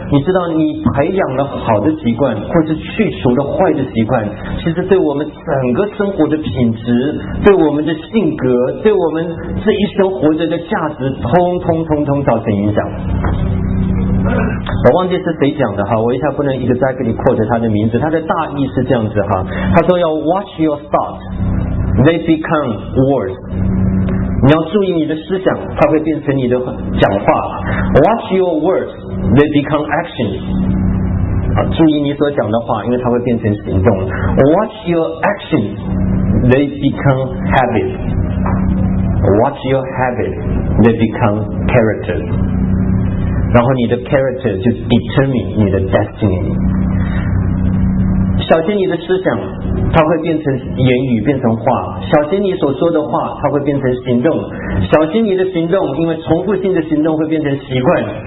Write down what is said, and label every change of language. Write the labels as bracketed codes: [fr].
[zh] 你知道你培养了好的习惯，或是去除了坏的习惯，其实对我们整个生活的品质，对我们的性格，对我们这一生活着的价值，通通造成影响。我忘记是谁讲的哈，我一下不能 [en] exactly quote [zh] 他的名字，他的大意是这样子哈，他说要 [en] watch your thoughts, they become words. [zh] 你要注意你的思想，它会变成你的讲话。 [en] Watch your words, they become actions. [zh] 注意你所讲的话，因为它会变成行动。 [en] Watch your actions, they become habits. Watch your habits, they become characters. [zh] 然后你的 character 就 determine 你的 destiny。小心你的思想，它会变成言语，变成话。小心你所说的话，它会变成行动。小心你的行动，因为重复性的行动会变成习惯。